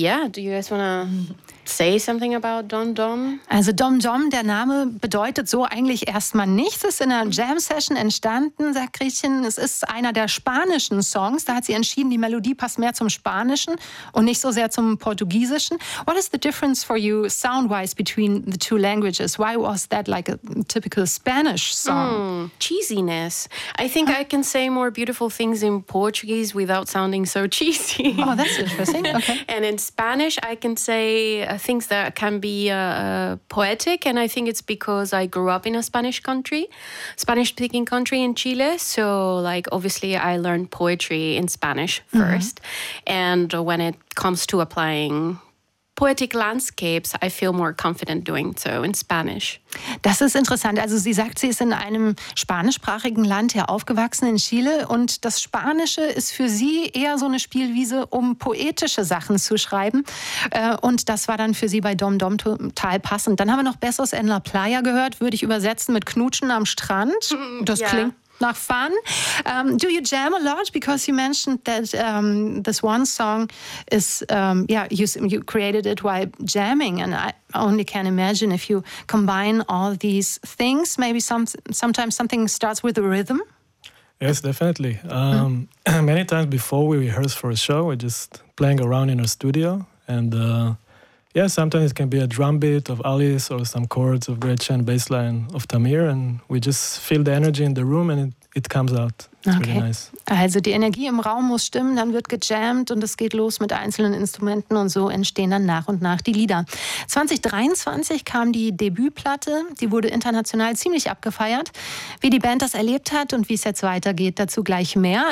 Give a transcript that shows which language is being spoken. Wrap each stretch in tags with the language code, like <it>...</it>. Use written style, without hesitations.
<en>Do you guys wanna say something about Dom Dom?</en> <de>Also Dom Dom, der Name bedeutet so eigentlich erstmal nichts. Es ist in einer Jam-Session entstanden, sagt Gretchen. Es ist einer der spanischen Songs. Da hat sie entschieden, die Melodie passt mehr zum Spanischen und nicht so sehr zum Portugiesischen.</de> <en>What is the difference for you sound-wise between the two languages? Why was that like a typical Spanish song? Cheesiness. I think I can say more beautiful things in Portuguese without sounding so cheesy. Oh, that's interesting. Okay. And in Spanish, I can say things that can be poetic, and I think it's because I grew up in a Spanish-speaking country in Chile, so like obviously I learned poetry in Spanish first. Mm-hmm. And when it comes to applying poetic landscapes, I feel more confident doing so in Spanish.</en> <de>Das ist interessant. Also sie sagt, sie ist in einem spanischsprachigen Land hier aufgewachsen, in Chile. Und das Spanische ist für sie eher so eine Spielwiese, um poetische Sachen zu schreiben. Und das war dann für sie bei Dom Dom total passend. Dann haben wir noch Besos en la Playa gehört, würde ich übersetzen mit Knutschen am Strand. Das klingt nach Fun.</de> <en>Do you jam a lot? Because you mentioned that this one song is, you created it while jamming. And I only can imagine if you combine all these things, maybe sometimes something starts with a rhythm. Yes, definitely. Many times before we rehearse for a show, we're just playing around in our studio. And sometimes it can be a drum beat of Alice or some chords of Gretchen, bass line of Tamir. And we just feel the energy in the room and it comes out. It's really nice.</en> <de>Also die Energie im Raum muss stimmen, dann wird gejammt und es geht los mit einzelnen Instrumenten und so entstehen dann nach und nach die Lieder. 2023 kam die Debütplatte, die wurde international ziemlich abgefeiert. Wie die Band das erlebt hat und wie es jetzt weitergeht, dazu gleich mehr.</de>